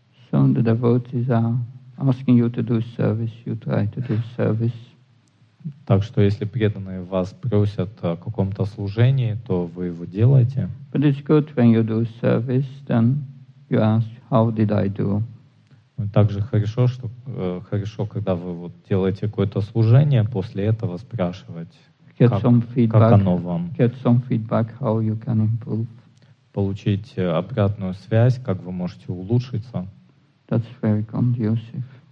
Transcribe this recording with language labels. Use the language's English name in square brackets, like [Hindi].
[English] So the devotees are asking you to do service, you try to do service. [Russian] Так что если преданные вас просят о каком-то служении, то вы его делаете. [English] But it's good when you do service, then you ask, how did I do? [Russian] Также хорошо, когда вы вот делаете какое-то служение, после этого спрашивать, как оно вам. [English] Get some feedback, how you can improve. [Russian] Получить обратную связь, как вы можете улучшиться. [English] That's very conducive.